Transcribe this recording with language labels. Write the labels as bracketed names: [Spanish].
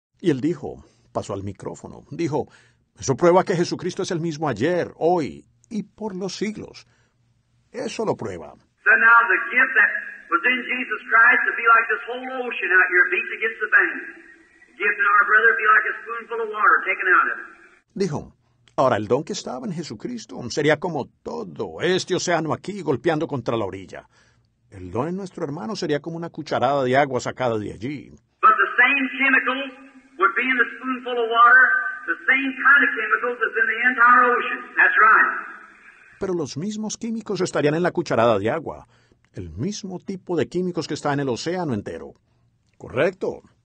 [Spanish] Y él dijo, pasó al micrófono, dijo, eso prueba que Jesucristo es el mismo ayer, hoy y por los siglos. Eso lo prueba. [English] So now the gift that was in Jesus Christ would be like this whole ocean out here beat against the bank. The gift in our brother would be like a spoonful of water taken out of it. [Spanish] Dijo, ahora el don que estaba en Jesucristo sería como todo este océano aquí golpeando contra la orilla. El don en nuestro hermano sería como una cucharada de agua sacada de allí. [English] But the same chemical would be in the spoonful of water, the same kind of chemicals that's in the entire ocean. That's right. [Spanish] Pero los mismos químicos estarían en la cucharada de agua. El mismo tipo de químicos que está en el océano entero. ¿Correcto?